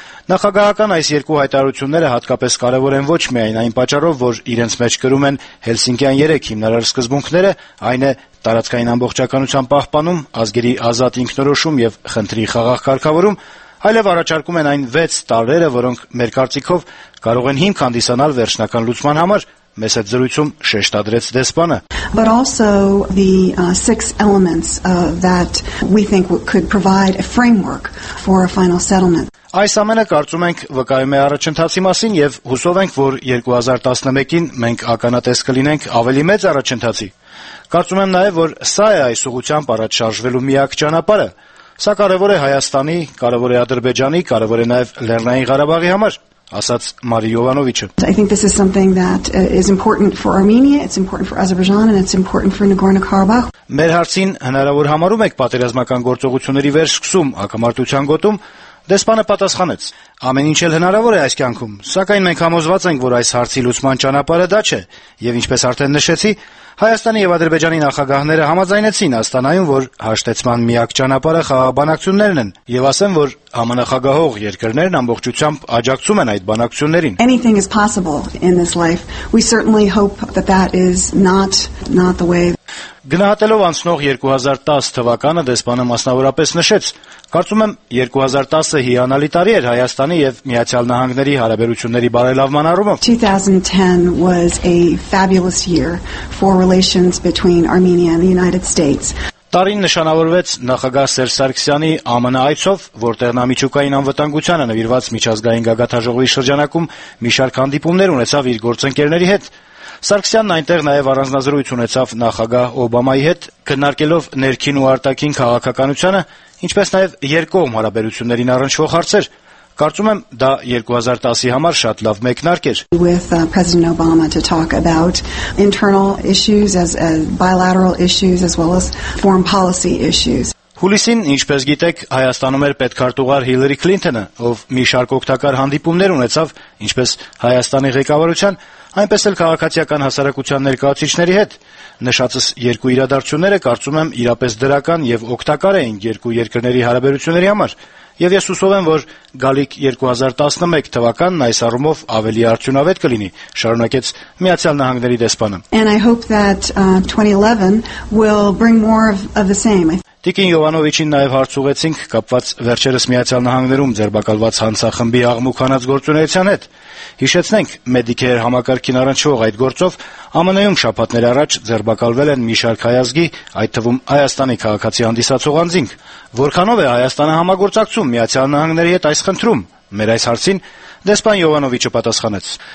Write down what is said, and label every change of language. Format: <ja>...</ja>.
<hy>Նախագահական այս երկու հայտարարությունները հատկապես կարևոր են ոչ միայն այն պատճառով, որ իրենց մեջ կրում են Հելսինկիան 3 հիմնարար սկզբունքները, այն է տարածքային ամբողջականության պահպանում, ազգերի ազատ ինքնորոշում և խնդրի խաղաղ կարգավորում, այլև առաջարկում են այն 6 տարրերը, որոնք մեր կարծիքով կարող են հիմք հանդիսանալ վերջնական լուծման համար, մեզ այդ զրույցում շեշտադրեց դեսպանը։</hy> <en>But also the six elements that we think could provide a framework for a final settlement.</en> <hy>Այս ամենը կարծում ենք վկայում է առաջընթացի մասին եւ հուսով ենք, որ 2011-ին մենք ականատես կլինենք ավելի մեծ առաջընթացի։ Կարծում եմ նաեւ, որ սա է այս ուղությամբ առաջ շարժվելու միակ ճանապարհը։ Սա կարևոր է Հայաստանի, կարևոր է Ադրբեջանի, կարևոր է նաեւ Լեռնային Ղարաբաղի համար, ասաց Մարի Յովանովիչը։</hy> <en>I think this is something that is important for Armenia, it's important for Azerbaijan and it's important for Nagorno-Karabakh.</en> <hy>Մեր հարցին հնարավոր համարում եք պատերազմական գործողությունների վերսկսում ակամարտության գոտում։ Դեսպանը պատասխանեց. Ամեն ինչ էլ հնարավոր է այս կյանքում, սակայն մենք համոզված ենք, որ այս հարցի լուծման ճանապարհը դա չէ, եւ ինչպես արդեն նշեցի, Հայաստանի եւ Ադրբեջանի նախագահները համաձայնեցին Աստանայում, որ հաշտեցման միակ ճանապարհը խաղաբանակցություններն են, եւ ասեմ, որ համանախագահող երկրներն ամբողջությամբ աջակցում են այդ բանակցություններին։</hy> <en>Anything is possible in this life. We certainly hope that that is not the way.</en> <hy>Գնահատելով անցնող 2010 թվականը, դեսպանը մասնավորապես նշեց. Կարծում եմ, 2010-ը հիանալի տարի էր Հայաստանի եւ Միացյալ Նահանգների հարաբերությունների բարելավման առումով։</hy> <en>2010 was a fabulous year for relations between Armenia and the United States.</en> <hy>Տարին նշանավորվեց նախագահ Սերժ Սարգսյանի ԱՄՆ այցով, որտեղ նա միջուկային անվտանգությանը նվիրված միջազգային գագաթաժողովի շրջանակում մի շարք հանդիպումներ ունեցավ իր գործընկերների հետ։ Սարգսյանն այնտեղ նաև առանձնազրույց ունեցավ նախագահ Օբամայի հետ, քննարկելով ներքին ու արտաքին քաղաքականությունը, ինչպես նաև երկկողմ հարաբերություններին առնչվող հարցեր։ Կարծում եմ, դա 2010-ի համար շատ լավ մեկնարկ էր։</hy> <en>With President Obama to talk about internal issues as bilateral issues as well as foreign policy issues.</en> <hy>Հուլիսին, ինչպես գիտեք, Հայաստանում էր պետքարտուղար Հիլերի Քլինթոնը, ով մի շարք օգտակար հանդիպումներ ունեցավ, ինչպես Հայաստանի ղեկավարության, այնպես էլ քաղաքացիական հասարակության ներկայացուցիչների հետ։ Նշածս երկու իրադարձությունները, կարծում եմ, իրապես դրական եւ օգտակար էին երկու երկրների հարաբերությունների համար։ Եվ ես հուսով եմ, որ գալիք 2011 թվականն այս առումով ավելի արդյունավետ կլինի, շարունակեց Միացյալ Նահանգների դեսպանը։</hy> <en>And I hope that 2011 will bring more of the same.</en> <hy>Տիկին Յովանովիչին նաև հարցուղեցինք կապված վերջերս Միացյալ Նահանգներում ձերբակալված հանցախմբի աղմուկանաց գործունեության հետ։ Հիշեցնենք, Մեդիքեր համակարգին առնչվող այդ գործով ԱՄՆ-ում շաբաթներ առաջ ձերբակալվել են մի շարք հայազգի, այդ թվում Հայաստանի քաղաքացի հանդիսացող անձինք։ Որքանով է Հայաստանը համագործակցում Միացյալ Նահանգների հետ այս խնդրում։ Մեր այս հարցին դեսպան Յովանովիչը պատասխանեց.</hy>